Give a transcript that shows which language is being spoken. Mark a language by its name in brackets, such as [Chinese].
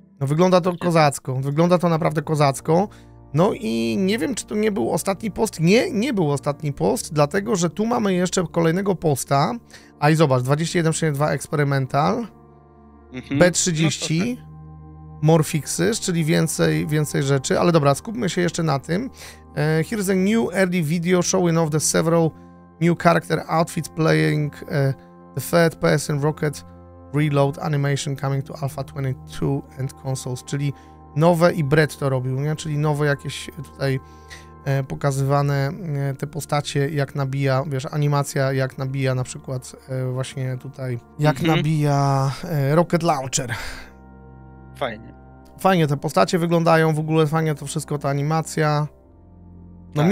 [Polish] No wygląda to kozacko, wygląda to naprawdę kozacko. No i nie wiem, czy to nie był ostatni post. Nie, nie był ostatni post, dlatego że tu mamy jeszcze kolejnego posta. A i zobacz, 2162 Experimental, B30. [English] More fixes, [Polish] czyli więcej rzeczy, ale dobra, skupmy się jeszcze na tym. [English] Here's a new early video showing off the several new character outfits playing the third person rocket reload animation coming to Alpha 22 and consoles, [Polish] czyli nowe i Brett to robił, nie? Czyli nowe jakieś tutaj pokazywane te postacie, jak nabija, wiesz, animacja, jak nabija na przykład właśnie tutaj, jak nabija rocket launcher. Fajnie te postacie wyglądają, w ogóle fajnie to wszystko, ta animacja. No tak.